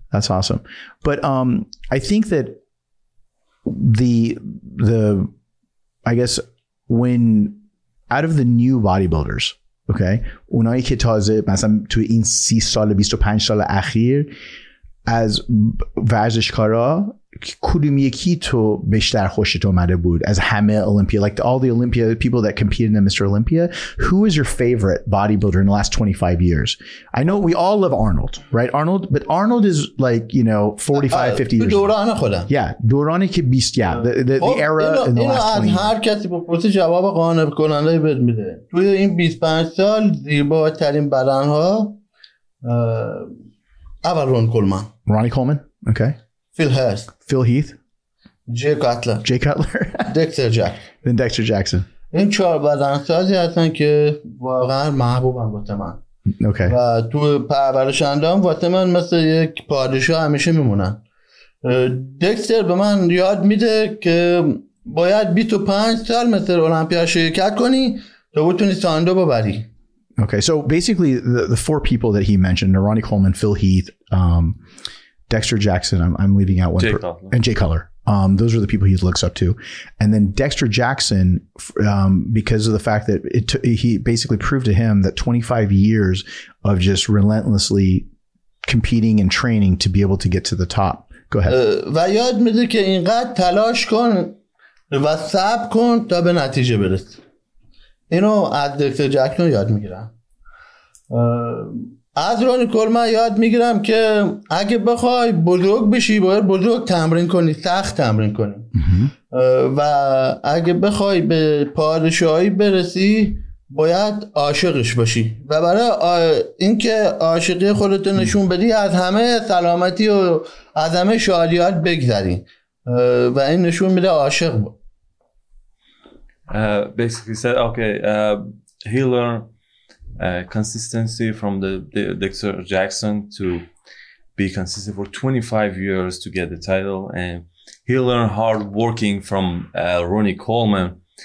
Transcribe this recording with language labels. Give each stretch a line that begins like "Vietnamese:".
English: That's awesome. But I think that the I guess, when out of the new bodybuilders, okay,
Persian: اونایی که تازه مثلا تو این 30 سال 25 سال اخیر از ورزشکارا کدوم یکی تو بیشتر خوشت اومده بود از همه اولمپیا,
English: like all the Olympia people that competed in the Mr. Olympia, who is your favorite bodybuilder in the last 25 years? I know we all love Arnold, right? Arnold, but Arnold is like, you know, 45, 50 years.
Persian: دوران خودم.
English: Yeah,
Persian: دورانی که
English: 20 yeah, the era in the last 20.
Persian: هر کسی با پرسش جواب قانع کننده بد میده. توی این 25 سال زیباترین بدنها اول Ronnie Coleman,
English: okay. Phil Heath. Jay Cutler. Dexter Jackson. Then Dexter Jackson.
Persian: این چهار بدنسازی هستن که واقعا محبوبن واسه من.
English: Okay.
Persian: و تو پرورش اندام واسه من مثل یک پادشاه همیشه میمونن. دکستر به من یاد میده که باید 25 سال مثل المپیا شرکت کنی تا بتونی ساندو ببری.
English: Okay, so basically the four people that he mentioned, Ronnie Coleman, Phil Heath, Dexter Jackson, I'm leaving out one, and Jay Cutler. Those are the people he looks up to. And then Dexter Jackson, because of the fact that he basically proved to him that 25 years of just relentlessly competing and training to be able to get to the top. Go ahead.
Persian: و یاد میده که اینقدر تلاش کن و صبر کن تا به نتیجه برس. اینو از دکتر جکسون یاد میگیرم. از رونی کولمن یاد میگیرم که اگه بخوای بزرگ بشی باید بزرگ تمرین کنی, سخت تمرین کنی. و اگه بخوای به پادشاهی برسی باید عاشقش باشی و برای اینکه عاشقی خودت نشون بدی از همه سلامتی و از همه شادیات بگذری و این نشون میده عاشق با.
English: Basically said, okay, he learned consistency from the Dexter Jackson to be consistent for 25 years to get the title. And he learned hard working from Ronnie Coleman.